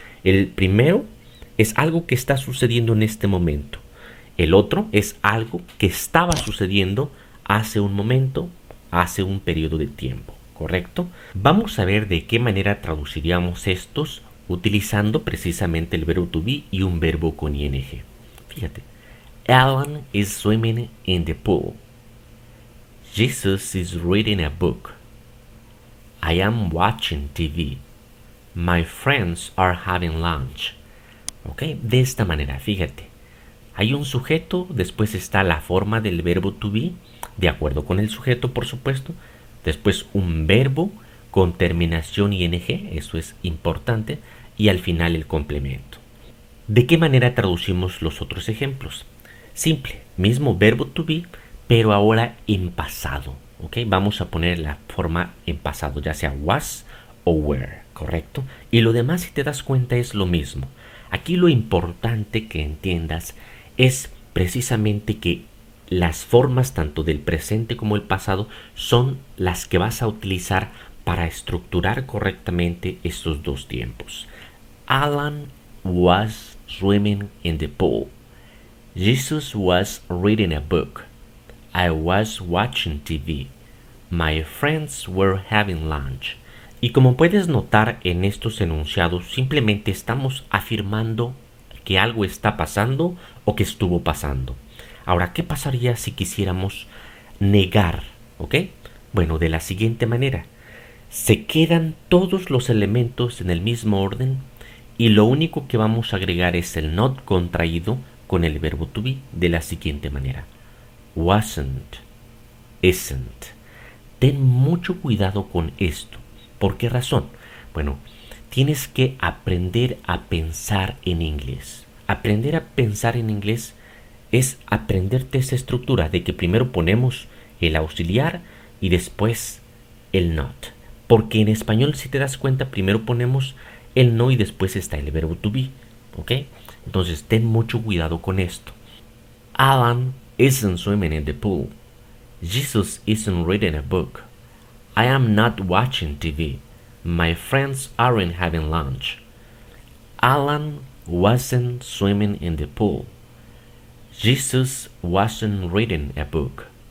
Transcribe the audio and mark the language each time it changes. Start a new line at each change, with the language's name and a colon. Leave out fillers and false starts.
Spanish: El primero es algo que está sucediendo en este momento. El otro es algo que estaba sucediendo hace un momento, hace un periodo de tiempo, ¿correcto? Vamos a ver de qué manera traduciríamos estos utilizando precisamente el verbo to be y un verbo con ing. Fíjate.
English: Alan is swimming in the pool. Jesus is reading a book. I am watching TV. My friends are having lunch.
Spanish: Ok, de esta manera, fíjate. Hay un sujeto, después está la forma del verbo to be, de acuerdo con el sujeto, por supuesto. Después un verbo con terminación ing, eso es importante. Y al final el complemento. ¿De qué manera traducimos los otros ejemplos? Simple, mismo verbo to be, pero ahora en pasado. ¿Okay? Vamos a poner la forma en pasado, ya sea was o were, ¿correcto? Y lo demás, si te das cuenta, es lo mismo. Aquí lo importante que entiendas es precisamente que las formas tanto del presente como el pasado son las que vas a utilizar para estructurar correctamente estos dos tiempos.
English: Alan was swimming in the pool. Jesus was reading a book. I was watching TV. My friends were having lunch.
Spanish: Y como puedes notar en estos enunciados, simplemente estamos afirmando que algo está pasando o que estuvo pasando. Ahora, ¿qué pasaría si quisiéramos negar? ¿Ok? Bueno, de la siguiente manera. Se quedan todos los elementos en el mismo orden. Y lo único que vamos a agregar es el not contraído con el verbo to be de la siguiente manera.
English: Wasn't, isn't.
Spanish: Ten mucho cuidado con esto. ¿Por qué razón? Bueno, tienes que aprender a pensar en inglés. Aprender a pensar en inglés es aprenderte esa estructura de que primero ponemos el auxiliar y después el not. Porque en español, si te das cuenta, primero ponemos el no y después está el verbo to be. ¿Ok? Entonces ten mucho cuidado con esto.
English: Alan isn't swimming in the pool. Jesus isn't reading a book. I am not watching TV. My friends aren't having lunch. Alan wasn't swimming in the pool. Jesus wasn't reading a book.